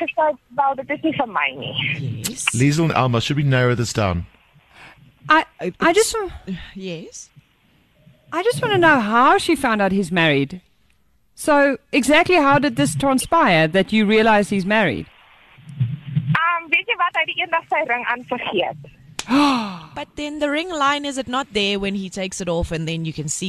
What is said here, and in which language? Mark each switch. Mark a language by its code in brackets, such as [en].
[en] Well, this is for mine. Liesl and Alma, should we narrow this down? I just want to know how she found out he's married. So exactly how did this transpire that you realize he's married? [af] Weet je wat, hy die eendag sy ring aan vergeet. [en] But then the ring line, is it not there when he takes it off and then you can see?